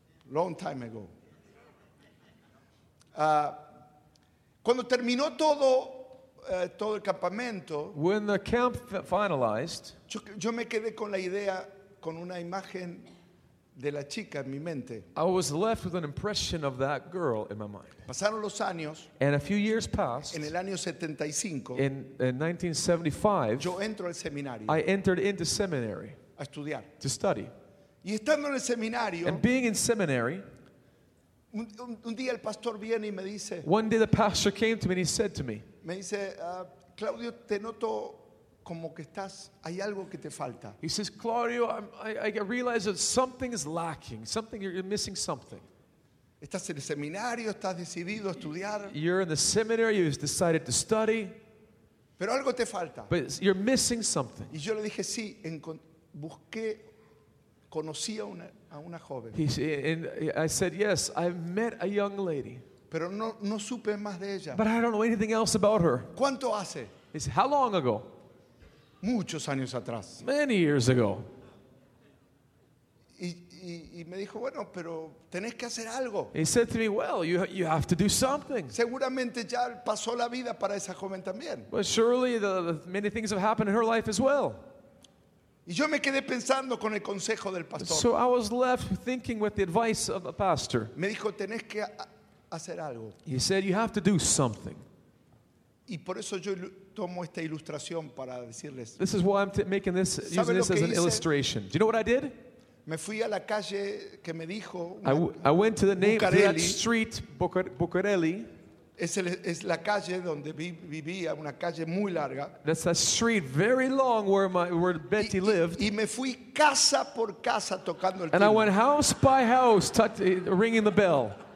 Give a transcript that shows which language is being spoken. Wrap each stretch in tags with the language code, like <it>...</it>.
<en>Long time ago.</en> <es>Cuando terminó todo todo el campamento,</es> <en>when the camp finalized,</en> <es>yo me quedé con la idea con una imagen de la chica en mi mente.</es> <en>I was left with an impression of that girl in my mind.</en> <es>Pasaron los años,</es> <en>and a few years passed.</en> <es>En el año 75,</es> <en>in 1975,</en> <es>yo entro al seminario.</es> <en>I entered into seminary,</en> <es>a estudiar,</es> <en>to study.</en> <es>Y estando en el seminario,</es> <en>and being in seminary,</en> <es>un día el pastor viene y me dice,</es> <en>one day the pastor came to me and he said to me,</en> <es>me dice, Claudio, te noto como que estás, hay algo que te falta.</es> <en>He says, Claudio, I realize that something is lacking, something, you're missing something.</en> <es>Estás en el seminario, estás decidido a estudiar.</es> <en>You're in the seminary, you've decided to study.</en> <es>Pero algo te falta.</es> <en>But you're missing something.</en> <es>Y yo le dije, sí, busqué, conocí a una, joven.</es> <en>He said, and I said, yes, I've met a young lady.</en> <es>Pero no supe más de ella.</es> <en>But I don't know anything else about her.</en> <es>¿Cuánto hace?</es> <en>He said, how long ago?</en> <es>Muchos años atrás.</es> <en>Many years ago.</en> <es>Y me dijo, bueno, pero tenés que hacer algo.</es> <en>He said to me, well, you have to do something.</en> <es>Seguramente ya pasó la vida para esa joven también.</es> <en>Well, surely the many things have happened in her life as well.</en> <es>Y yo me quedé pensando con el consejo del pastor.</es> <en>So I was left thinking with the advice of the pastor.</en> <es>Me dijo, tenés que hacer algo.</es> <en>He said, you have to do something.</en> <es>Y por eso yo tomo esta ilustración para decirles.</es> <en>This is why I'm making this, using this as an illustration. Do you know what I did?</en> <es>Me fui a la calle que me dijo.</es> <en>I went to the name of that street, Bucarelli.</en> <es>Es la calle donde vivía, una calle muy larga.</es> <en>That's a street very long where Betty lived.</en> <es>Y me fui casa por casa tocando el timbre.</es> <en>And I went house by house, ringing the bell.</en>